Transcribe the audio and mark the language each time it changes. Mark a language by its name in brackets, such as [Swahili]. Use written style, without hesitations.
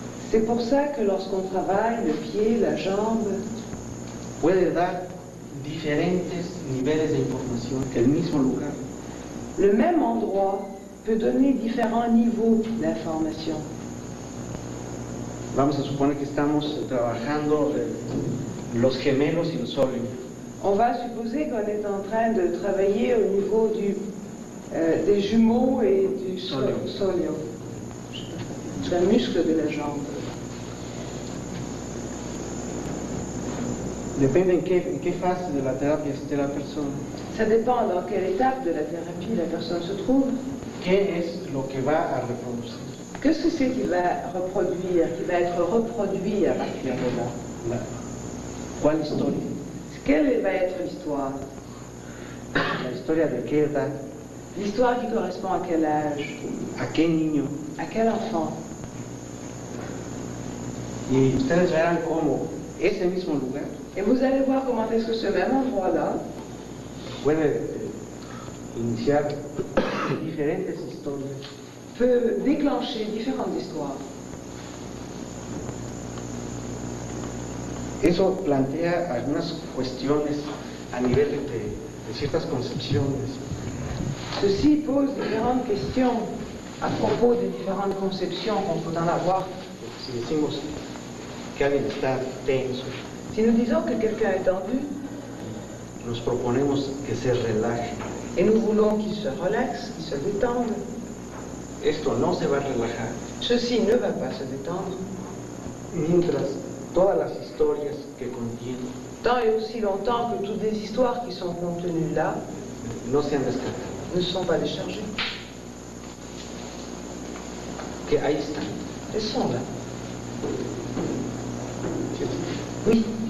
[French] C'est pour ça que lorsqu'on travaille le pied, la jambe, [Spanish] puede dar diferentes niveles de información en el mismo lugar. [French] Le même endroit peut donner différents niveaux d'information. [Spanish] Vamos a suponer que estamos trabajando los gemelos y el sóleo. [French] On va supposer qu'on est en train de travailler au niveau du des jumeaux et du sóleo. Le muscle de la jambe. [Spanish] Depende en qué fase de la terapia esté la persona. [French] Ça dépend dans quelle étape de la thérapie la personne se trouve. [Spanish] ¿Qué es lo que va a reproducir? [French] Qu'est-ce que c'est qui va reproduire, qui va être reproduit à partir de là? [Spanish] ¿Cuál historia? [French] Quelle va être l'histoire? [Spanish] La historia de qué edad? [French] L'histoire qui correspond à quel âge? [Spanish] ¿A qué niño? [French] À quel enfant? [Spanish] Et ustedes verán cómo ese mismo lugar. [French] Et vous allez voir comment est-ce que ce même endroit-là [Spanish] puede iniciar diferentes historias. [French] Peut déclencher différentes histoires. [Spanish] Eso plantea algunas cuestiones a nivel de ciertas concepciones. [French] Ceci pose différentes questions à propos de différentes conceptions qu'on peut en avoir. [Spanish] Si decimos que alguien está tenso. [French] Si nous disons que quelqu'un est tendu, [Spanish] nos proponemos que se relaje. [French] Et nous voulons qu'il se relaxe, qu'il se détende. [Spanish] Esto no se va a relajar. [French] Ceci ne va pas se détendre. [Spanish] Mientras todas las historias que contienen, [French] tant et aussi longtemps que toutes les histoires qui sont contenues là [Spanish] no sean descartadas. [French] Ne sont pas déchargées. [Spanish] Que ahí están. [French] Elles sont là. Oui.